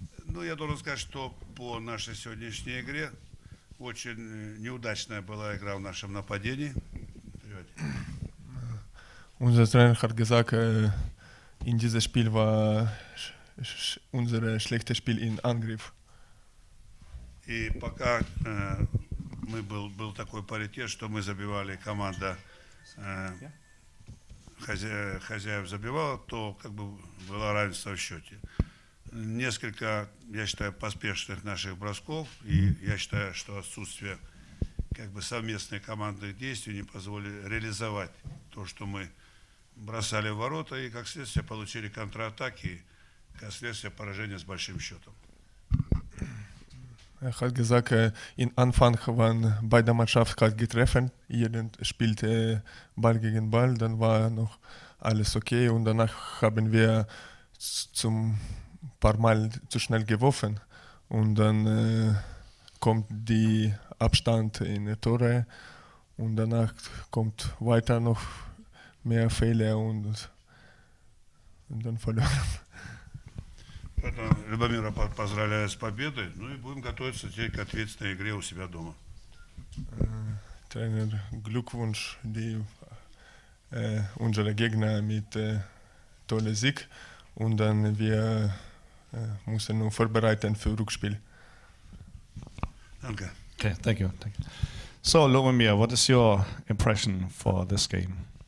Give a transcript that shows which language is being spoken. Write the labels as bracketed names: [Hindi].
[Russian] Ну, я должен сказать, что по нашей сегодняшней игре очень неудачная была игра в нашем нападении. [German] Unser Trainer hat gesagt, in diesem Spiel war unser schlechtes Spiel in Angriff. [Russian] И пока мы был такой паритет, что мы забивали, команда хозяев забивала, то как бы было равенство в счете. Несколько, я считаю, поспешных наших бросков, и я считаю, что отсутствие как бы совместных командных действий не позволили реализовать то, что мы бросали в ворота, и как следствие получили контратаки, и как следствие поражение с большим счетом. [German] Er hat gesagt, in Anfang waren beide Mannschaften getroffen. Jeder spielte Ball gegen Ball, dann war noch alles okay. Und danach haben wir zum paar Mal zu schnell geworfen. Und dann kommt der Abstand in die Tore. Und danach kommt weiter noch mehr Fehler und dann verloren. [Russian] Поэтому Любомира поздравляю с победой. Ну и будем готовиться теперь к ответственной игре у себя дома. Тренер, [German] Glückwunsch, unsere Gegner mit tolle Sieg. Und dann wir müssen nur vorbereiten für Rückspiel. Danke. [English] Okay, thank you. Thank you. So, Lubomir, what is your impression for this game?